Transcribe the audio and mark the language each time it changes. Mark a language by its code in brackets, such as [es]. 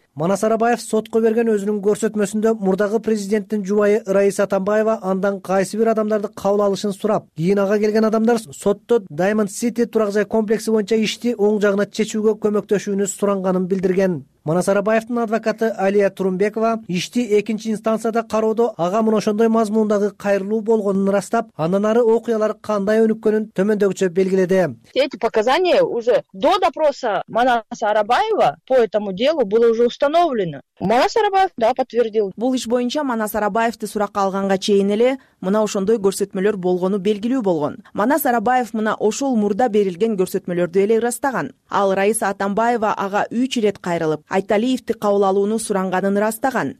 [ky] Манас Арабаев сотко берген өзүнүн көрсөтмөсүндө мурдагы президенттин жубайы Раиса Атамбаева андан кайсы бир адамдарды кабыл алышын сурап, кийин ага келген адамдар сотто Diamond City турак жай комплекси боюнча ишти оң жагына чечүүгө көмөктөшүүнү суранганын билдирген. Манас Арабаевдин адвокаты Алия Турумбекова ишти экинчи инстанцияда кароодо ага мына ошондой мазмундагы кайрылуу болгонун ырастап, андан ары окуялар кандай өнүккөнүн төмөндөгүчө белгиледи. [ru] Эти показания уже до допроса Манаса Арабаева по этому делу было уже установлено. Манас Арабаев да подтвердил. [ky] Бул иш боюнча Манас Арабаевди суракка алганга чейин эле мына ошондой көрсөтмөлөр болгону белгилүү болгон. Манас Арабаев мына ошол мурда берилген көрсөтмөлөрдү эле ырастаган. Ал Раиса Атамбаева ага 3 ирет кайрылып, Айталиевди кабыл алууну суранганын ырастаган.